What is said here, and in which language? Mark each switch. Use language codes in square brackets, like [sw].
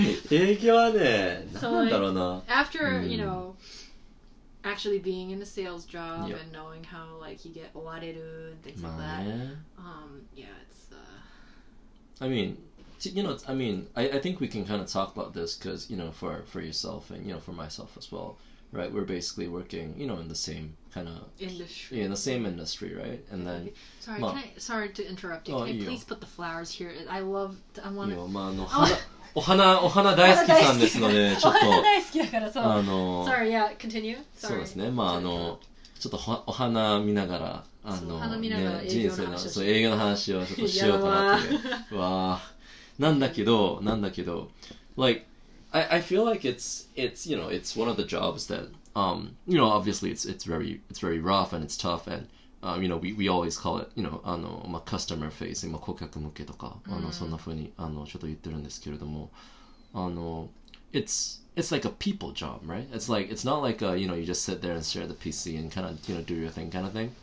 [ja] 営業はね、なんだろうな。 [en] So, like, after, you know, actually being in a sales job、yep. and knowing how, like, you get [ja] 追われる [en] and things like that,、yeah, it's, I mean,You know, I mean, I think we can kind of talk about this because, you know, for yourself and, you know, for myself as well, right? We're basically working, you know, in the same kind of... Industry. Yeah, in the same industry, right? And then... Sorry, can I... Sorry to interrupt you. Can I please put the flowers here? I love... I want to... [ja] お花、お花大好きさんですので、ちょっと... お花大好きだから、そう。 [en] Sorry, yeah, continue. [ja] そうですね、まあ、あの、ちょっとお花見ながら、あの、ね、人生の、そう、営業の話をちょっとしようかなって。わー。なんだけど [en] like I feel like it's you know it's one of the jobs that you know obviously it's very rough and it's tough and you know we always call it you know あのまあ customer facing [ja] まあ顧客向けとかあのそんな風にあのちょっと言ってるんですけれどもあの [en] it's like a people job right it's like it's not like a, you know you just sit there and stare at the PC and kind of you know do your thing kind of thing